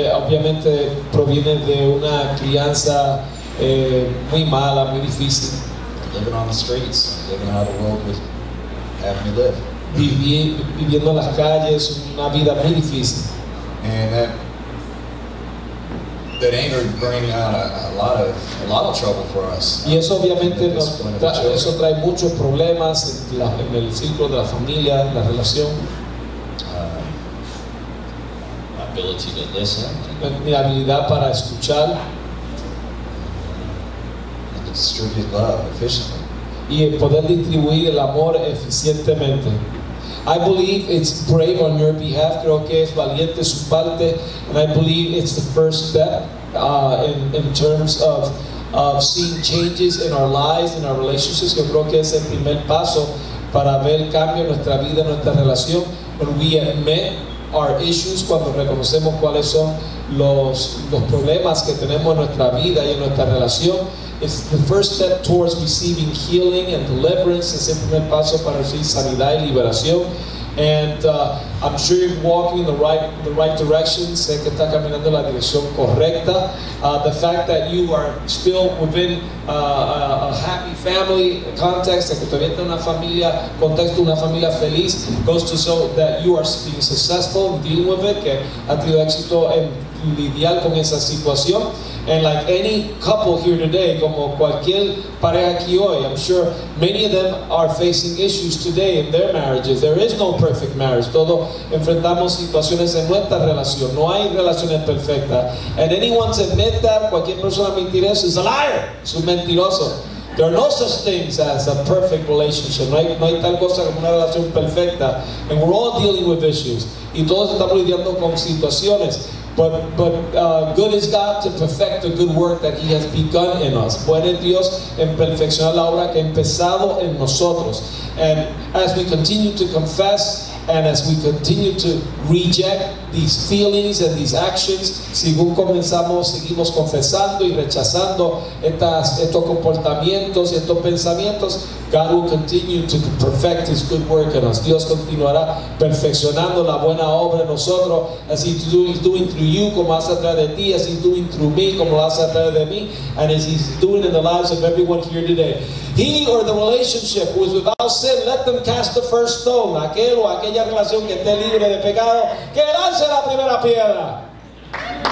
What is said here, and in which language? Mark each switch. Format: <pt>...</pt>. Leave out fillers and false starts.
<es>Obviamente proviene de una crianza muy mala, muy difícil.</es> <en>Living on the streets, living how the world would have me live.</en> <es>Viviendo en las calles, una vida muy difícil.</es> <en>And that anger bring out a lot of trouble for us.</en> <es>Y eso obviamente eso trae muchos problemas en el círculo de la familia, la relación.</es> <en>Ability to listen.</en> <es>Mi habilidad para escuchar.</es> <en>And distribute love efficiently.</en> <es>Y el poder distribuir el amor eficientemente.</es> <en>I believe it's brave on your behalf,</en> <es>creo que es valiente su parte,</es> <en>and I believe it's the first step in terms of seeing changes in our lives, in our relationships.</en> <es>Yo creo que es el primer paso para ver cambio en nuestra vida, en nuestra relación,</es> <en>when we admit our issues,</en> <es>cuando reconocemos cuáles son los problemas que tenemos en nuestra vida y en nuestra relación.</es> <en>It's the first step towards receiving healing and deliverance.</en> <es>Es el primer paso para recibir sanidad y liberación.</es> <en>And I'm sure you're walking in the right direction.</en> <es>Sé que está caminando en la dirección correcta.</es> <en>The fact that you are still within a happy family context,</en> <es>que todavía está en una familia, contexto una familia feliz,</es> <en>goes to show that you are being successful in dealing with it,</en> <es>que ha tenido éxito en lidiar con esa situación.</es> <en>And like any couple here today,</en> <es>como cualquier pareja aquí hoy,</es> <en>I'm sure many of them are facing issues today in their marriages. There is no perfect marriage.</en> <es>Todos enfrentamos situaciones en nuestra relación. No hay relaciones perfectas.</es> <en>And anyone to admit that,</en> <es>cualquier persona mentira,</es> <en>is a liar.</en> <es>Es un mentiroso.</es> <en>There are no such things as a perfect relationship.</en> <es>No hay tal cosa como una relación perfecta.</es> <en>And we're all dealing with issues.</en> <es>Y todos estamos lidiando con situaciones.</es> <en>But good is God to perfect the good work that He has begun in us.</en> <es>Bueno es Dios en perfeccionar la obra que ha empezado en nosotros.</es> <en>And as we continue to confess and as we continue to reject these feelings and these actions,</en> <es>seguimos confesando y rechazando estos comportamientos y estos pensamientos,</es> <en>God will continue to perfect His good work in us.</en> <es>Dios continuará perfeccionando la buena obra en nosotros,</es> <en>as He's doing through you,</en> <es>como hace a través de ti,</es> <en>as He's doing through me,</en> <es>como hace a través de mí,</es> <en>and as He's doing in the lives of everyone here today. He or the relationship who is without sin, let them cast the first stone.</en> <es>Aquel o aquella relación que esté libre de pecado, que lance la primera piedra.</es>